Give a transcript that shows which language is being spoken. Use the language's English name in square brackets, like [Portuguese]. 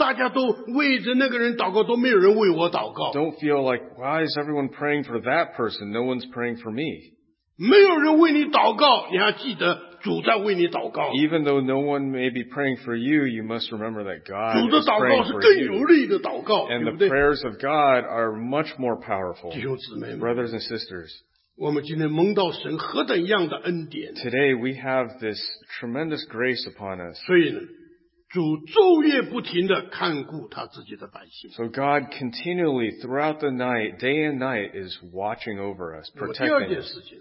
[Chinese] 你不要难过说,哎呀,你看,大家都为着那个人祷告,都没有人为我祷告。 [English] Don't feel like, why is everyone praying for that person? No one's praying for me. [Chinese] 没有人为你祷告, [English] even though no one may be praying for you, you must remember that God is praying for you. And the prayers of God are much more powerful. [Chinese] 弟兄姊妹们, [English] brothers and sisters, [Chinese] 我们今天蒙到神何等样的恩典, [English] today we have this tremendous grace upon us. [Chinese] 所以呢, 主昼夜不停地看顾他自己的百姓。 [English] So God continually throughout the night, day and night, is watching over us, protecting us.